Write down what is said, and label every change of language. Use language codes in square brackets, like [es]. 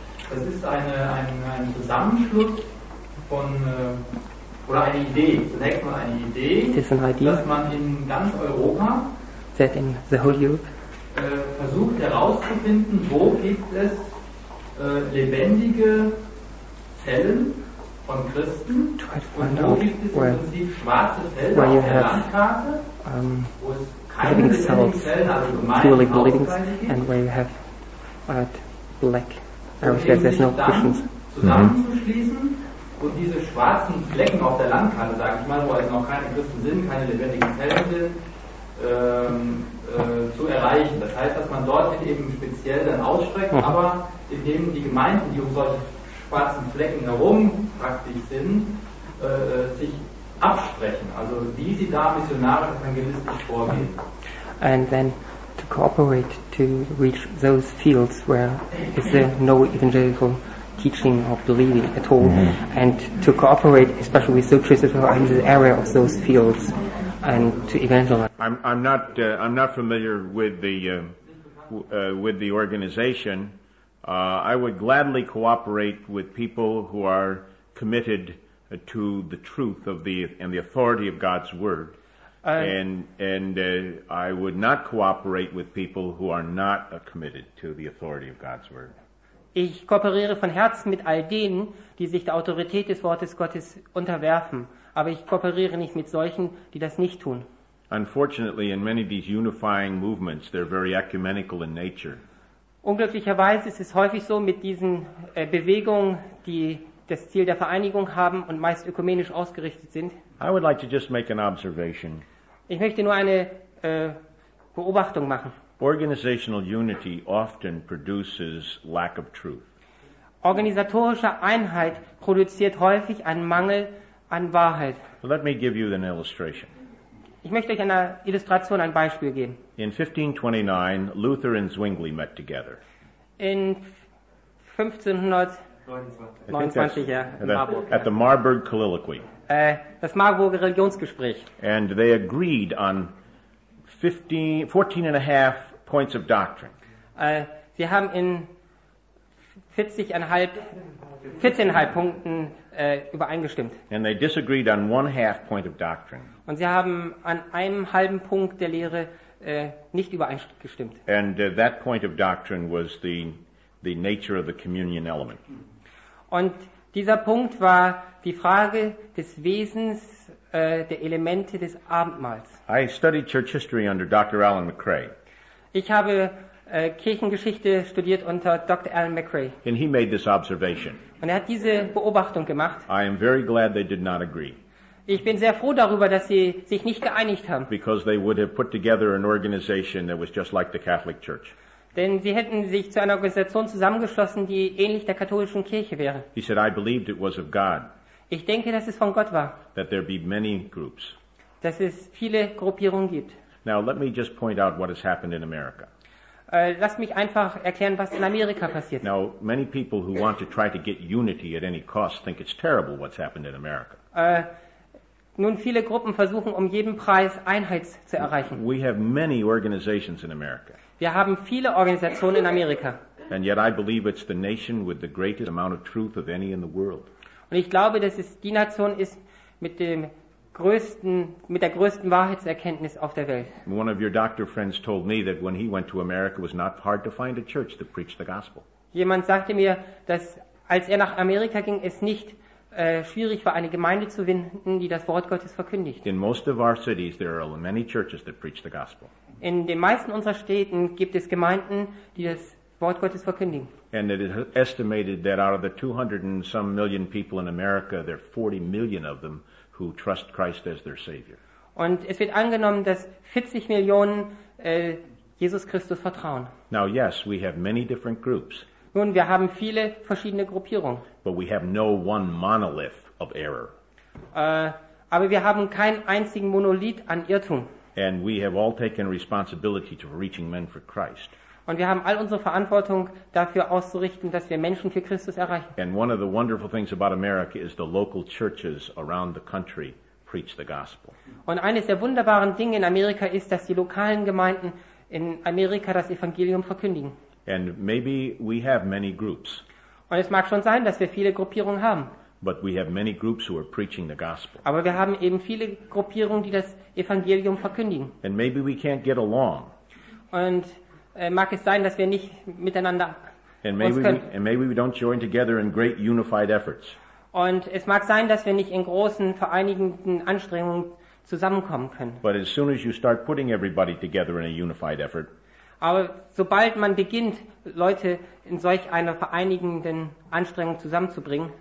[de] Das ist ein Zusammenschluss von oder eine Idee, zunächst mal eine Idee, dass man in ganz Europa, [en] that in the whole Europe, [de] versucht herauszufinden, wo gibt es lebendige Zellen von Christen und wo gibt es [en] where, [de] im Prinzip schwarze Felder auf der Landkarte, wo es [en] living cells, truly bleeding, and where you have black areas, there's no cushions. [de] Zusammenzuschließen und diese schwarzen Flecken auf der Landkarte, sage ich mal, wo also noch keine Christen sind, keine lebendigen Zellen sind, zu erreichen. Das heißt, dass man dort eben speziell dann ausstreckt, aber indem die Gemeinden, die um solche schwarzen Flecken herum praktisch sind, sich absprechen, also wie sie da missionarisch evangelistisch vorgehen. [en] And then to cooperate to reach those fields where is there no evangelical teaching or believing at all, and to cooperate especially with those churches who are in the area of those fields and to evangelize. I'm not familiar with the organization. I would gladly cooperate with people who are committed to the truth of the and the authority of God's word, I would not cooperate with people who are not committed to the authority of God's word. [de] Ich kooperiere von Herzen mit all denen, die sich der Autorität des Wortes Gottes unterwerfen, aber ich kooperiere nicht mit solchen, die das nicht tun. [en] Unfortunately, in many of these unifying movements, they're very ecumenical in nature. [de] Unglücklicherweise ist es häufig so mit diesen Bewegungen, die das Ziel der Vereinigung haben und meist ökumenisch ausgerichtet sind. [en] I would like to just make an observation. [de] Ich möchte nur eine Beobachtung machen. [en] Organizational unity often produces lack of truth. [de] Organisatorische Einheit produziert häufig einen Mangel an Wahrheit. [en] Let me give you an illustration. [de] Ich möchte euch eine Illustration, ein Beispiel geben. [en] In 1529, Luther and Zwingli met together. [de] In 1529, [en] at the Marburg Colloquy. [de] Das Marburger Religionsgespräch. [en] And they agreed on 14 and a half points of doctrine. [de] Sie haben in 14,5 Punkten übereingestimmt. [en] And they disagreed on one half point of doctrine. [de] Und sie haben an einem halben Punkt der Lehre nicht übereingestimmt. [en] And that point of doctrine was the nature of the communion element. [de] Und dieser Punkt war die Frage des Wesens der Elemente des Abendmahls. [en] I studied church history under Dr. Alan McCrae. [de] Ich habe Kirchengeschichte studiert unter Dr. Alan McCrae. [en] And he made this observation. [de] Und hat diese Beobachtung gemacht. [en] I am very glad they did not agree. [de] Ich bin sehr froh darüber, dass sie sich nicht geeinigt haben. [en] Because they would have put together an organization that was just like the Catholic Church. [de] Denn sie hätten sich zu einer Organisation zusammengeschlossen, die ähnlich der katholischen Kirche wäre. [en] He said, I believed it was of God. [de] Ich denke, dass es von Gott war. [en] That there be many groups. [de] Dass es viele Gruppierungen gibt. [en] Now let me just point out what has happened in America. [de] Lass mich einfach erklären, was in Amerika passiert. [en] Now many people who want to try to get unity at any cost think it's terrible what's happened in America. [de] Nun viele Gruppen versuchen um jeden Preis Einheit zu erreichen. [en] We have many organizations in America. [de] Wir haben viele Organisationen in Amerika. [en] And yet I believe it's the nation with the greatest amount of truth of any in the world. [de] Und ich glaube, dass es die Nation ist mit dem mit der größten Wahrheitserkenntnis auf der Welt. [en] One of your doctor friends told me that when he went to America, it was not hard to find a church that preached the gospel. [de] Jemand sagte mir, dass als nach Amerika ging, es nicht schwierig war, eine Gemeinde zu finden, die das Wort Gottes verkündigt. [en] In most of our cities, there are many churches that preach the gospel. [de] In den meisten unserer Städten gibt es Gemeinden, die das Wort Gottes verkündigen. [en] And it is estimated that out of the 200 and some million people in America, there are 40 million of them who trust Christ as their Savior. [de] Und es wird angenommen, dass 40 Millionen Jesus Christus vertrauen. [en] Now yes, we have many different groups. [de] Nun, wir haben viele verschiedene Gruppierungen. [en] But we have no one monolith of error. [de] Aber wir haben keinen einzigen Monolith an Irrtum. [en] And we have all taken responsibility to reaching men for Christ. [de] Und wir haben all unsere Verantwortung dafür auszurichten, dass wir Menschen für Christus erreichen. [en] And one of the wonderful things about America is the local churches around the country preach the gospel. [de] Und eines der wunderbaren Dinge in Amerika ist, dass die lokalen Gemeinden in Amerika das Evangelium verkündigen. [en] And maybe we have many groups. [de] Und es mag schon sein, dass wir viele Gruppierungen haben. [en] But we have many groups who are preaching the gospel. [de] Aber wir haben eben viele Gruppierungen, die das Evangelium verkündigen. [en] And maybe we can't get along. [de] Und mag es sein, dass wir nicht miteinander Und es mag sein, dass wir nicht in großen vereinigenden Anstrengungen zusammenkommen können. [en] But as soon as you start putting everybody together in a unified effort. [de] Aber sobald man beginnt, Leute in solch einer vereinigenden Anstrengung zusammenzubringen,